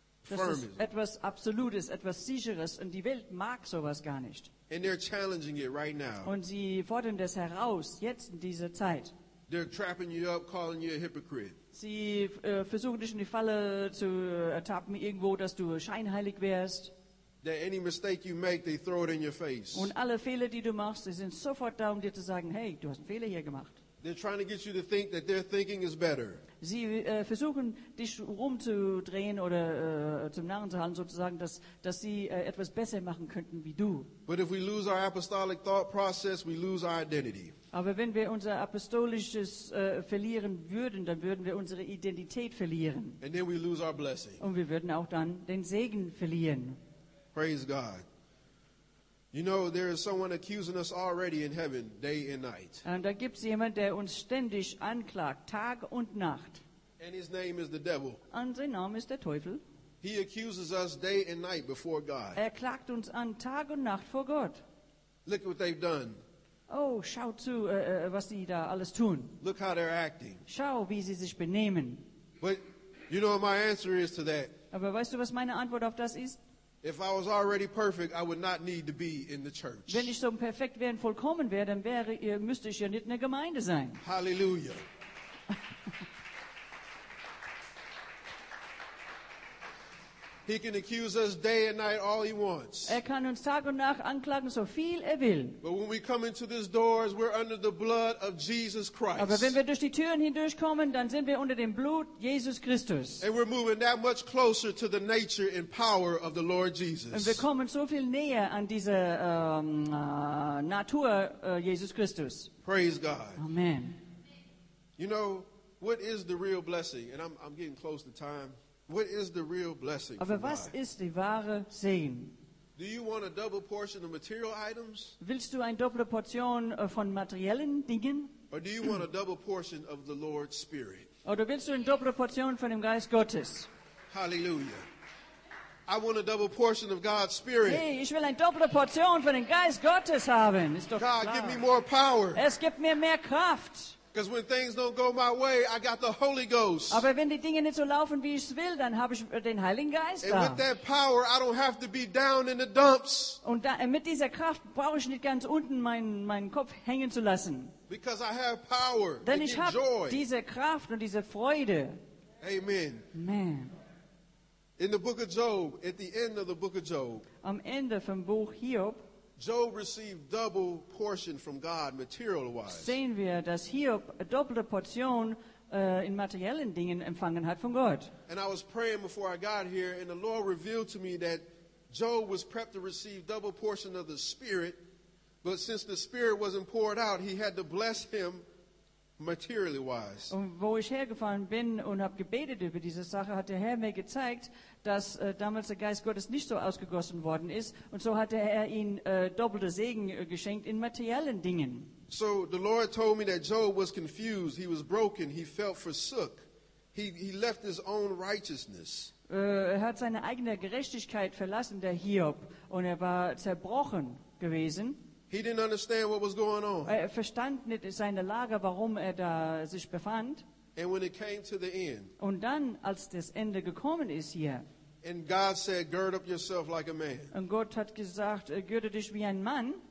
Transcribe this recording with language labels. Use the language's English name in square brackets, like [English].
[German] Das ist etwas Absolutes, etwas Sicheres, und die Welt mag sowas gar nicht. [English] And they're challenging it right now. [German] Und sie fordern das heraus, jetzt in dieser Zeit. [English] They're trapping you up, calling you a hypocrite. [German] Sie versuchen dich in die Falle zu ertappen, irgendwo, dass du scheinheilig wärst. [English] That any mistake you make, they throw it in your face. [German] Und alle Fehler, die du machst, sind sofort da, um dir zu sagen, hey, du hast einen Fehler hier gemacht. [English] They're trying to get you to think that their thinking is better. [German] Sie versuchen, dich rumzudrehen oder zum Narren zu halten, sozusagen, dass sie etwas besser machen könnten wie du. [English] But if we lose our apostolic thought process, we lose our identity. [German] Aber wenn wir unser apostolisches verlieren würden, dann würden wir unsere Identität verlieren. [English] And then we lose our blessing. [German] Und wir würden auch dann den Segen verlieren. [English] Praise God. You know, there is someone accusing us already in heaven, day and night. [German] Und da gibt's jemand, der uns ständig anklagt, Tag und Nacht. [English] And his name is the devil. [German] Und sein Name ist der Teufel. [English] He accuses us day and night before God. [German] Er klagt uns an Tag und Nacht vor Gott. [English] Look at what they've done. [German] Oh, schau zu, was sie da alles tun. [English] Look how they're acting. [German] Schau, wie sie sich benehmen. [English] But you know what my answer is to that? [German] Aber weißt du, was meine Antwort auf das ist? [English] If I was already perfect, I would not need to be in the church. [German] Wenn ich so perfekt wäre und vollkommen wäre, dann wäre ich, müsste ich ja nicht in der Gemeinde sein. [English] Hallelujah. He can accuse us day and night all he wants. [German] Er kann uns Tag und Nacht anklagen, so viel er will. [English] But when we come into these doors, we're under the blood of Jesus Christ. [German] Aber wenn wir durch die Türen hindurchkommen, dann sind wir unter dem Blut Jesus Christus. [English] And we're moving that much closer to the nature and power of the Lord Jesus. [German] Und wir kommen so viel näher an diese Natur Jesus Christus. [English] Praise God. Amen. You know, what is the real blessing? And I'm getting close to time. What is the real blessing? [German] Aber was ist die wahre Segen? [English] Do you want a double portion of material items? [German] Willst du eine doppelte Portion von materiellen Dingen? [English] Or do you want a double portion of the Lord's Spirit? [German] Oder willst du eine doppelte Portion von dem Geist Gottes? [English] Hallelujah. I want a double portion of God's Spirit. [German] Hey, ich will eine doppelte Portion von dem Geist Gottes haben. Ist doch [English] God, [German] klar. [English] Give me more power. [German] Es gibt mir mehr Kraft. [English] Because when things don't go my way, I got the Holy Ghost. [German] Aber wenn die Dinge nicht so laufen, wie ich es will, dann habe ich den Heiligen Geist da. [English] And with that power, I don't have to be down in the dumps. [German] Und mit dieser Kraft brauche ich nicht ganz unten meinen Kopf hängen zu lassen. [English] Because I have power. [German] Denn ich habe diese Kraft und diese Freude. [English] Amen. Man. In the book of Job, at the end of the book of Job. [German] Am Ende vom Buch Hiob. [English] Job received double portion from God material-wise. [German] Sehen wir, dass Hiob eine doppelte Portion in materiellen Dingen empfangen hat von Gott. [English] And I was praying before I got here, and the Lord revealed to me that Job was prepped to receive double portion of the Spirit, but since the Spirit wasn't poured out, he had to bless him materially-wise. [German] Und wo ich hergefahren bin und habe gebetet über diese Sache, hat der Herr mir gezeigt, dass damals der Geist Gottes nicht so ausgegossen worden ist. Und so hat er ihm doppelte Segen geschenkt in materiellen Dingen. [English] So the Lord told me that Job was confused. He was broken. He felt forsook. He left his own righteousness. [German] Er hat seine eigene Gerechtigkeit verlassen, der Hiob. Und er war zerbrochen gewesen. [English] He didn't understand what was going on. [German] Er verstand nicht seine Lage, warum er da sich befand. [English] And when it came to the end, [German] und dann, als das Ende gekommen ist hier, [English] and God said, "Gird up yourself like a man." [German] Und Gott hat gesagt, gürte dich wie ein Mann.